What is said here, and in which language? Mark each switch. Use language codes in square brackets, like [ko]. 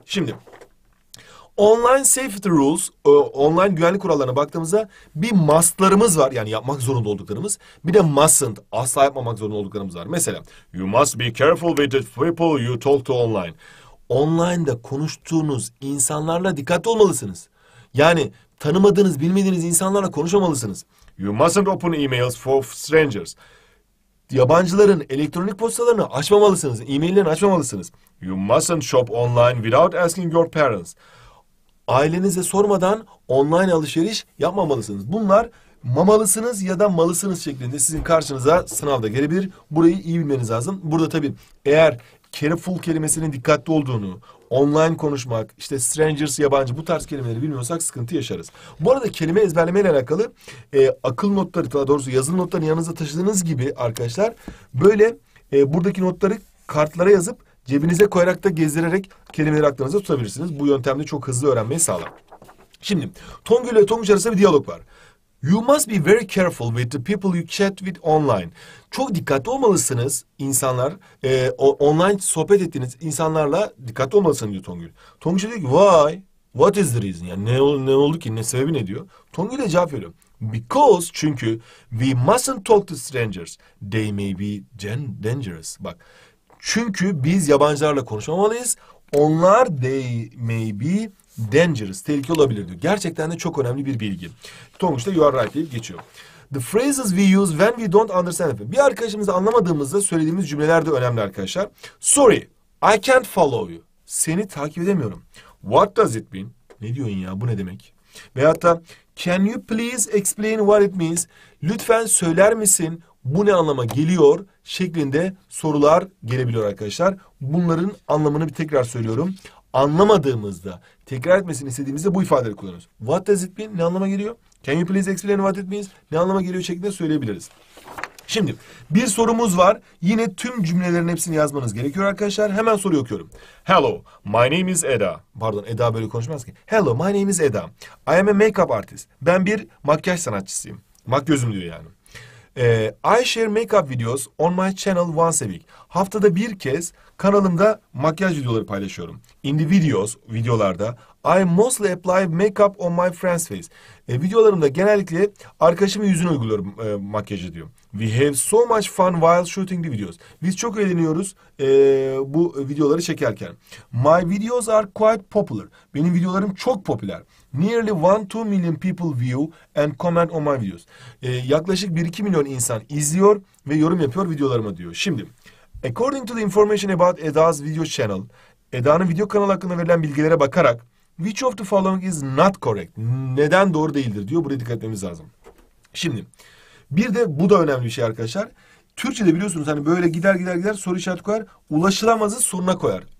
[tr] Şimdi [en] online safety rules, [tr] online güvenlik kurallarına baktığımızda bir must'larımız var. Yani yapmak zorunda olduklarımız. Bir de mustn't, asla yapmamak zorunda olduklarımız var. [en] Mesela you must be careful with the people you talk to online. [tr] Online'da konuştuğunuz insanlarla dikkatli olmalısınız. Yani tanımadığınız, bilmediğiniz insanlarla konuşmamalısınız. [en] You mustn't open emails for strangers. [tr] Yabancıların elektronik postalarını açmamalısınız, e-maillerini açmamalısınız. [en] You mustn't shop online without asking your parents. [tr] Ailenize sormadan online alışveriş yapmamalısınız. Bunlar mamalısınız ya da malısınız şeklinde sizin karşınıza sınavda gelebilir. Burayı iyi bilmeniz lazım. Burada tabii eğer careful kelimesinin dikkatli olduğunu, online konuşmak, işte strangers, yabancı, bu tarz kelimeleri bilmiyorsak sıkıntı yaşarız. Bu arada kelime ezberlemeyle alakalı akıl notları, daha doğrusu yazılı notları yanınızda taşıdığınız gibi arkadaşlar, böyle buradaki notları kartlara yazıp cebinize koyarak da gezdirerek kelimeleri aklınıza tutabilirsiniz. Bu yöntemde çok hızlı öğrenmeyi sağlar. Şimdi Tongül ile Tonguç arasında bir diyalog var. [en] You must be very careful with the people you chat with online. [tr] Çok dikkatli olmalısınız insanlar. Online sohbet ettiğiniz insanlarla dikkatli olmalısınız diyor Tongül. Tonguç diyor ki [en] why? What is the reason? [tr] Yani ne oldu ki? Ne sebebi ne diyor? Tongül de cevap veriyor. [en] Because, çünkü we mustn't talk to strangers. They may be dangerous. [tr] Bak. Çünkü biz yabancılarla konuşmamalıyız. Onlar [en] they may be dangerous. [tr] Tehlikeli olabilir diyor. Gerçekten de çok önemli bir bilgi. Tonguç da [en] you are right [tr] deyip geçiyor. [en] The phrases we use when we don't understand. [tr] Bir arkadaşımızı anlamadığımızda söylediğimiz cümleler de önemli arkadaşlar. [en] Sorry, I can't follow you. [tr] Seni takip edemiyorum. [en] What does it mean? [tr] Ne diyorsun ya, bu ne demek? [en] Veyahut da can you please explain what it means? [tr] Lütfen söyler misin? Bu ne anlama geliyor şeklinde sorular gelebiliyor arkadaşlar. Bunların anlamını bir tekrar söylüyorum. Anlamadığımızda, tekrar etmesini istediğimizde bu ifadeleri kullanıyoruz. [en] What does it mean? [tr] Ne anlama geliyor? [en] Can you please explain what it means? [tr] Ne anlama geliyor şeklinde söyleyebiliriz. Şimdi bir sorumuz var. Yine tüm cümlelerin hepsini yazmanız gerekiyor arkadaşlar. Hemen soruyu okuyorum. [en] Hello, my name is Eda. [tr] Pardon, Eda böyle konuşmaz ki. [en] Hello, my name is Eda. I am a makeup artist. [tr] Ben bir makyaj sanatçısıyım. Makyözüm diyor yani. [en] I share makeup videos on my channel once a week. [tr] Haftada bir kez kanalımda makyaj videoları paylaşıyorum. [en] In the videos, videolarda I mostly apply makeup on my friend's face. [tr] Videolarımda genellikle arkadaşımın yüzünü uyguluyorum makyajı diyor. [en] We have so much fun while shooting the videos. [tr] Biz çok eğleniyoruz bu videoları çekerken. [en] My videos are quite popular. [tr] Benim videolarım çok popüler. [en] Nearly 1-2 million people view and comment on my videos. [tr] Yaklaşık 1-2 milyon insan izliyor ve yorum yapıyor videolarıma diyor. [en] Şimdi, according to the information about Eda's video channel, [tr] Eda'nın video kanalı hakkında verilen bilgilere bakarak, [en] which of the following is not correct? [tr] Neden doğru değildir diyor. Buraya dikkat etmemiz lazım. Şimdi, bir de bu da önemli bir şey arkadaşlar. Türkçe'de biliyorsunuz hani böyle gider soru işareti koyar, ulaşılamazı soruna koyar.